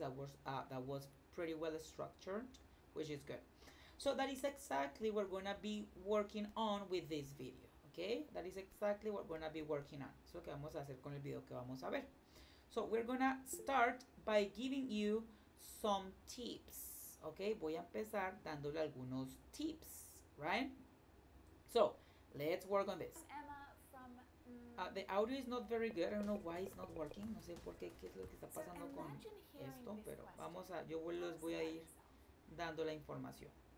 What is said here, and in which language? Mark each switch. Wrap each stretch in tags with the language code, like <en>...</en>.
<en>That was pretty well structured, which is good. So that is exactly what we're going to be working on with this video, okay? That is exactly what we're going to be working on.</en> <es>So, ¿qué vamos a hacer con el video que vamos a ver?</es> <en>So, we're going to start by giving you some tips, okay?</en> <es>Voy a empezar dándole algunos tips, right?</es> <en>So, let's work on this. Emma from... the audio is not very good. I don't know why it's not working.</en> <es>No sé por qué, qué es lo que está pasando con esto, pero vamos a... Yo les voy a ir dando la información.</es>